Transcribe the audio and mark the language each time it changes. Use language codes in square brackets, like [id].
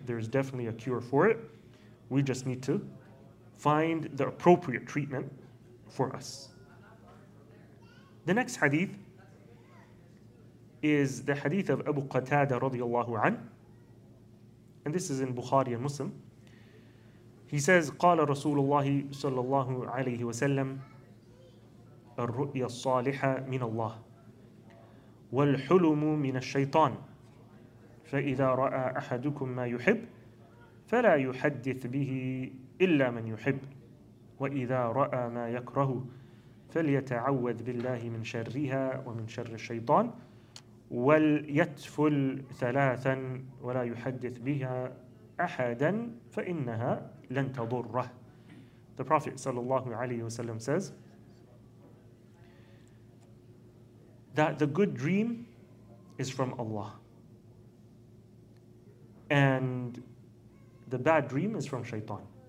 [en] There's definitely a cure for it. We just need to find the appropriate treatment for us. The next hadith is the hadith of Abu Qatada radiallahu anhu. And this is in Bukhari and Muslim. He says, [ar] قال رسول الله صلى الله عليه وسلم الرؤيا الصالحة من الله والحلم من الشيطان فإذا رأى أحدكم ما يحب فلا يحدث به إلا من يحب وإذا رأى ما يكره فليتعوذ بالله من شرها ومن شر الشيطان وليتفل ثلاثا ولا يحدث بها أحدا فإنها لن تضره [en] The Prophet sallallahu alaihi wasallam says that the good dream is from Allah and the bad dream is from shaitan.